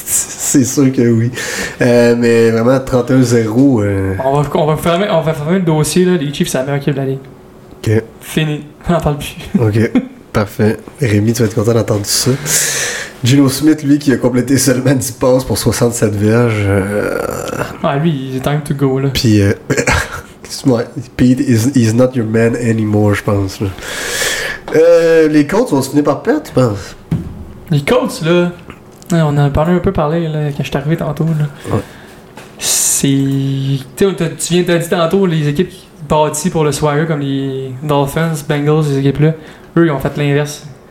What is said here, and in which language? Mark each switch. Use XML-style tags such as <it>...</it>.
<fr>C'est sûr que oui. Mais vraiment, 31-0. On va fermer le dossier. Là. Les Chiefs, c'est la meilleure équipe de l'année. Ok. Fini. On n'en parle plus. Ok. Parfait. Rémi, tu vas être content d'entendre ça. Geno Smith, lui, qui a complété seulement 10 passes pour 67 verges. Ah, lui, il est</fr> <en>time to go.</en> <fr>Là. Puis.</fr> <en>Pete is not your man anymore,</en> <fr>je pense. Les Colts vont se finir par perdre, tu penses? Les Colts, là. On en a parlé un peu parlé là, quand je suis arrivé tantôt. Là. Ouais. C'est. Tu viens de dire tantôt les équipes bâties pour le soir, comme les Dolphins, Bengals, les équipes-là. Eux, ils ont fait l'inverse.</fr>